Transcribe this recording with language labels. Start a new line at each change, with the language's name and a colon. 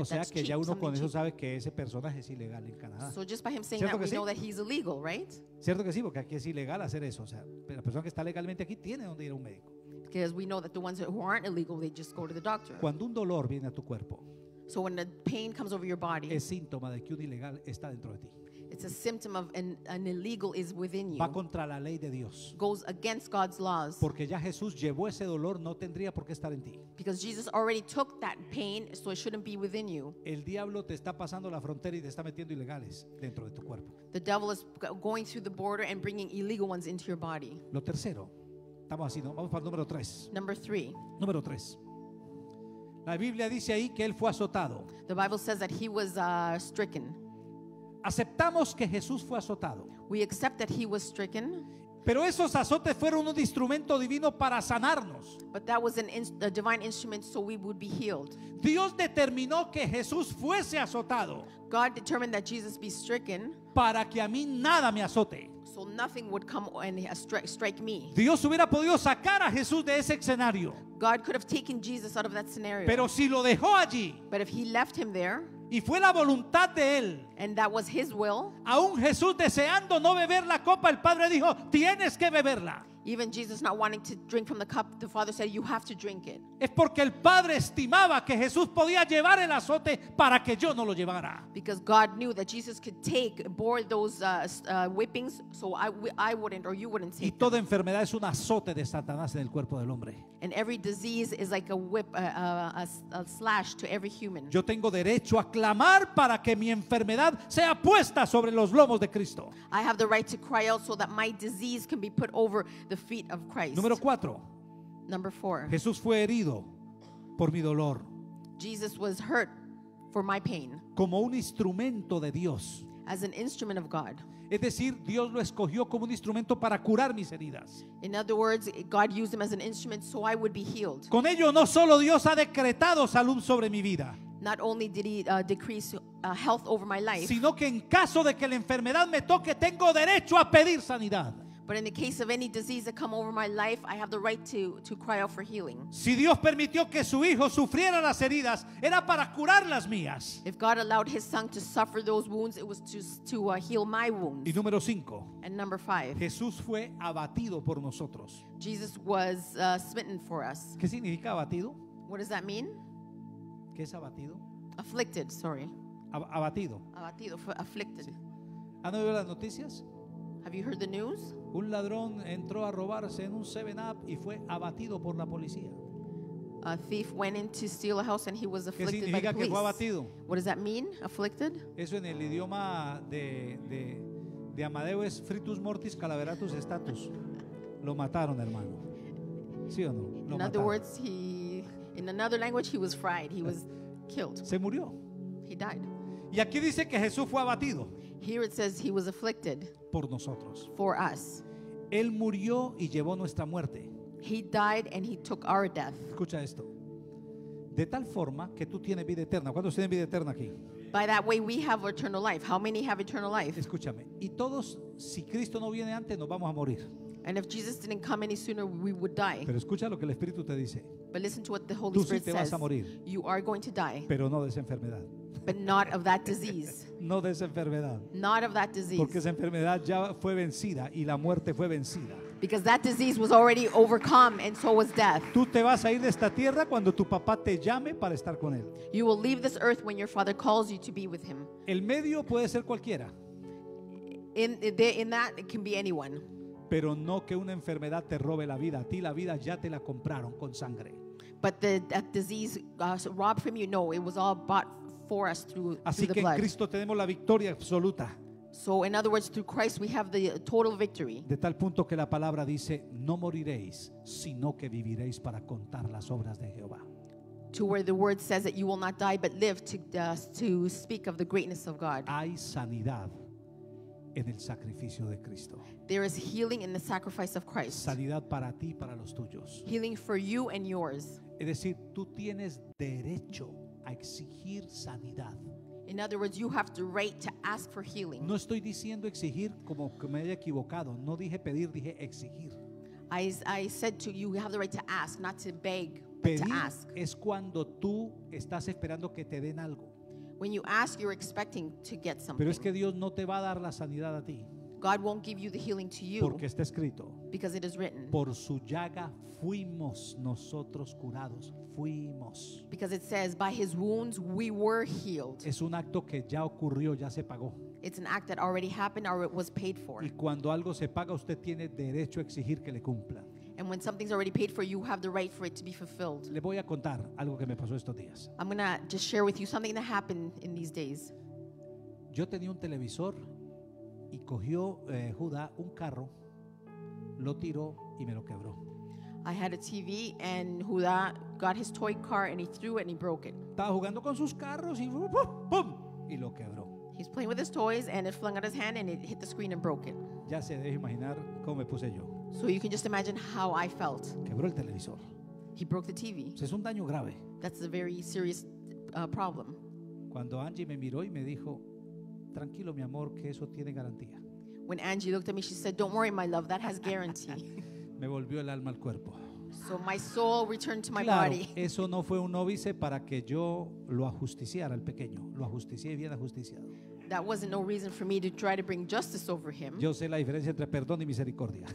Spanish: O sea que
English: cheap,
Spanish: ya uno con eso
English: cheap.
Spanish: Sabe que ese personaje es ilegal en Canadá.
English: So just by him saying that, we know that he's illegal, right?
Spanish: Cierto que sí, porque aquí es ilegal hacer eso. O sea, la persona que está legalmente aquí tiene dónde ir a un médico.
English: Because we know that the ones who aren't illegal, they just go to the doctor.
Spanish: Cuando un dolor viene a tu cuerpo.
English: So when the pain comes over your body,
Spanish: es síntoma de que un ilegal está dentro de ti.
English: It's a symptom of an illegal is within you.
Spanish: Va contra la ley de Dios.
English: Goes against God's laws.
Spanish: Porque ya Jesús llevó ese dolor, no tendría por qué estar en ti.
English: Because Jesus already took that pain, so it shouldn't be within you.
Spanish: El diablo te está pasando la frontera y te está metiendo ilegales dentro de tu cuerpo.
English: The devil is going through the border and bringing illegal ones into your body.
Spanish: Lo tercero. Estamos así, ¿no? Vamos para el número 3.
English: Number 3.
Spanish: Número 3. La Biblia dice ahí que él fue azotado.
English: The Bible says that he was stricken.
Spanish: Aceptamos que Jesús fue azotado.
English: We accept that he was stricken.
Spanish: Pero esos azotes fueron un instrumento divino para sanarnos.
English: But that was a divine instrument so we would be healed.
Spanish: Dios determinó que Jesús fuese azotado.
English: God determined that Jesus be stricken.
Spanish: Para que a mí nada me azote.
English: So nothing would come and strike me.
Spanish: Dios hubiera podido sacar a Jesús de ese escenario.
English: God could have taken Jesus out of that scenario.
Spanish: Pero si lo dejó allí.
English: But if he left him there.
Spanish: Y fue la voluntad de él.
English: And that was his will.
Spanish: Aún Jesús deseando no beber la copa, el Padre dijo, tienes que beberla.
English: Even Jesus not wanting to drink from the cup, the Father said, you have to drink it.
Spanish: Es porque el Padre estimaba que Jesús podía llevar el azote para que yo no lo llevara.
English: Because God knew that Jesus could bore those whippings so I wouldn't or you wouldn't take
Spanish: it. Y toda enfermedad es un azote de Satanás en el cuerpo del hombre.
English: And every disease is like a whip, a slash to every human.
Spanish: Yo tengo derecho a clamar para que mi enfermedad sea puesta sobre los lomos de Cristo.
English: I have the right to cry out so that my disease can be put over the feet of Christ.
Spanish: Número 4.
English: Number 4.
Spanish: Jesús fue herido por mi dolor.
English: Jesus was hurt for my pain.
Spanish: Como un instrumento de Dios.
English: As an instrument of God.
Spanish: Es decir, Dios lo escogió como un instrumento para curar mis heridas.
English: In other words, God used him as an instrument so I would be healed.
Spanish: Con ello no solo Dios ha decretado salud sobre mi vida.
English: Not only did he decrease health over my life.
Spanish: Sino que en caso de que la enfermedad me toque, tengo derecho a pedir sanidad.
English: But in the case of any disease that come over my life, I have the right to cry out for healing.
Spanish: Si Dios permitió que su hijo sufriera las heridas, era para curar las mías.
English: If God allowed his son to suffer those wounds, it was to heal my wounds.
Spanish: Y número 5.
English: And number 5.
Spanish: Jesús fue abatido por nosotros.
English: Jesus was smitten for us.
Spanish: ¿Qué significa abatido?
English: What does that mean?
Spanish: ¿Qué es abatido?
English: Afflicted, sorry.
Spanish: Abatido. Abatido, afflicted. ¿Han oído las noticias?
English: Have you heard the news?
Spanish: Un ladrón entró a robarse en un 7-Up y fue abatido por la policía.
English: A thief went in to steal a house and he was afflicted by the police.
Spanish: Que fue abatido?
English: What does that mean, afflicted?
Spanish: Eso en el idioma de Amadeo es fritus mortis calaveratus status. Lo mataron, hermano. ¿Sí o no? Lo
English: in
Spanish: mataron.
English: Other words, he in another language he was fried. He was killed.
Spanish: Se murió.
English: He died.
Spanish: Y aquí dice que Jesús fue abatido.
English: Here it says he was afflicted.
Spanish: Por nosotros.
English: For us.
Spanish: Él murió y llevó nuestra muerte.
English: He died and he took our death.
Spanish: Escucha esto. De tal forma que tú tienes vida eterna. ¿Cuántos tienen vida eterna aquí?
English: By that way we have eternal life. How many have eternal life?
Spanish: Escúchame. Y todos, si Cristo no viene antes, nos vamos a morir.
English: And if Jesus didn't come any sooner, we would die.
Spanish: Pero escucha lo que el Espíritu te dice.
English: But listen to what the Holy Spirit says.
Spanish: Tú sí te vas a morir.
English: You are going to die.
Spanish: Pero no de esa enfermedad.
English: But not of that disease.
Spanish: No de esa enfermedad.
English: Not of that disease.
Spanish: Porque esa enfermedad ya fue vencida y la muerte fue vencida.
English: Because that disease was already overcome and so was death.
Spanish: Tú te vas a ir de esta tierra cuando tu papá te llame para estar con él.
English: You will leave this earth when your father calls you to be with him.
Spanish: El medio puede ser cualquiera.
English: In that it can be anyone.
Spanish: Pero no que una enfermedad te robe la vida. A ti la vida ya te la compraron con sangre.
English: But that disease robbed from you. No, it was all bought for us through the blood.
Spanish: Así que en Cristo tenemos la victoria absoluta.
English: So in other words, through Christ we have the total victory.
Spanish: De tal punto que la palabra dice, no moriréis, sino que viviréis para contar las obras de Jehová.
English: To where the word says that you will not die but live to speak of the greatness of God.
Spanish: Hay sanidad en el sacrificio de Cristo.
English: There is healing in the sacrifice of Christ.
Spanish: Sanidad para ti y para los tuyos.
English: Healing for you and yours.
Spanish: Es decir, tú tienes derecho a exigir sanidad.
English: In other words, you have the right to ask for healing.
Spanish: No estoy diciendo exigir como que me haya equivocado. No dije pedir, dije exigir.
English: I said to you, you have the right to ask, not to beg,
Spanish: pedir
English: but to ask.
Spanish: Es cuando tú estás esperando que te den algo.
English: When you ask, you're expecting to get something.
Spanish: Pero es que Dios no te va a dar la sanidad a ti.
English: God won't give you the healing to you.
Spanish: Porque está escrito.
English: Because it is written.
Spanish: Por su llaga fuimos nosotros curados. Fuimos.
English: Because it says, by his wounds we were healed.
Spanish: Es un acto que ya ocurrió, ya se pagó.
English: It's an act that already happened or it was paid for.
Spanish: Y cuando algo se paga, usted tiene derecho a exigir que le cumplan.
English: And when something's already paid for, you have the right for it to be fulfilled.
Spanish: Le voy a contar algo que me pasó estos días.
English: I'm going to just share with you something that happened in these days.
Spanish: Yo tenía un televisor y cogió Judá un carro, lo tiró y me lo quebró.
English: I had a TV and Judah got his toy car and he threw it and he broke it.
Spanish: Estaba jugando con sus carros y boom, boom, y lo quebró.
English: He's playing with his toys and it flung out his hand and it hit the screen and broke it.
Spanish: Ya se debe imaginar cómo me puse yo.
English: So you can just imagine how I felt.
Spanish: Quebró el televisor.
English: He broke the TV.
Spanish: Es un daño grave.
English: That's a very serious problem.
Spanish: Cuando Angie me miró y me dijo, tranquilo mi amor, que eso tiene garantía.
English: When Angie looked at me, she said, don't worry my love, that has guarantee.
Spanish: Me volvió el alma al cuerpo.
English: So my soul returned to my
Spanish: claro,
English: body.
Spanish: Eso no fue un óbice para que yo lo ajusticiara al pequeño. Lo ajusticié bien ajusticiado.
English: That wasn't no reason for me to try to bring justice over him.
Spanish: Yo sé la diferencia entre perdón y misericordia.